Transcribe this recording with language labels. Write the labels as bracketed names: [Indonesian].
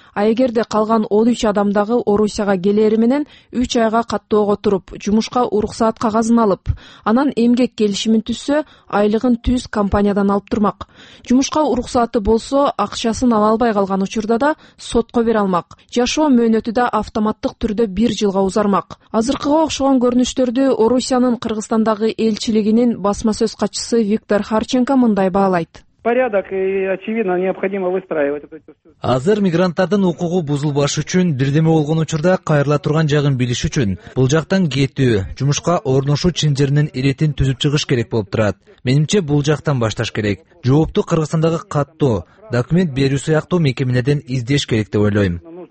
[Kyrgyz] А эгерде калган 13 адам дагы Орусияга келери менен 3 айга каттоого туруп, жумушка уруксаат кагазын алып, анан эмгек келишимин түзсө, айлыгын түз компаниядан алып турмак. Жумушка уруксааты болсо, акчасын ала албай калган учурда да сотко бере алмак. Жашоо мөөнөтү да автоматтык түрдө 1 жылга узармак. Азыркыга окшогон көрүнүштөрдү Орусиянын Кыргызстандагы элчилигинин басма сөз катчысы Виктор Харченко мындай баалайт. [Russian] Порядок и очевидно необходимо выстраивать. [Kyrgyz] Азыр мигранттардын укугу бузулбаш үчүн бирдеме болгон учурда кайрыла турган жагын билиш үчүн бул жактан кетүү, жумушка орношуу чиндеринин иретин түзүп чыгыш керек болуп турат. Менимче бул жактан башташ керек. Жоопту Кыргызстандагы каттоо документ берүү сыяктуу мекемелерден издеш керек деп ойлойм.